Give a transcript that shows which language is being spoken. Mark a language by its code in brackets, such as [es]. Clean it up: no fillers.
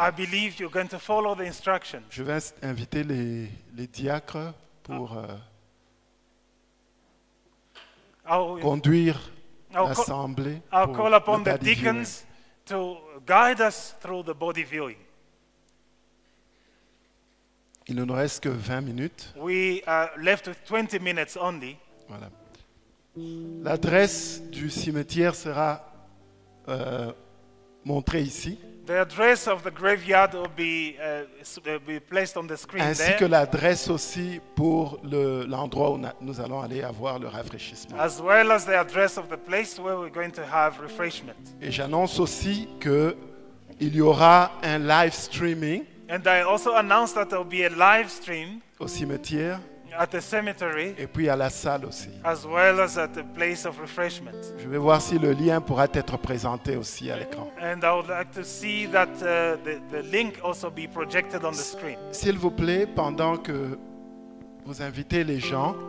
[en] I believe you're going to follow the instructions. [fr] Je vais inviter les diacres pour conduire l'assemblée. [en] I'll call upon the deacons to guide us through the body viewing. [fr] Il ne nous reste que 20 minutes. [en] We are left with 20 minutes only. [fr] Voilà. L'adresse du cimetière sera montrée ici. [en] The address of the graveyard will be placed on the screen. [fr] Ainsi [en] there. [fr] Que l'adresse aussi pour l'endroit où nous allons aller avoir le rafraîchissement. [en] As well as the address of the place where we're going to have refreshment. [fr] Et j'annonce aussi que il y aura un live streaming. [en] And I also announce that there will be a live stream. [fr] Au cimetière. [en] At the cemetery. [fr] Et puis à la salle aussi. [en] As well as at the place of refreshment. [fr] Je vais voir si le lien pourra être présenté aussi à l'écran. [en] And I would like to see that the link also be projected on the screen. [fr] S'il vous plaît, pendant que vous invitez les gens.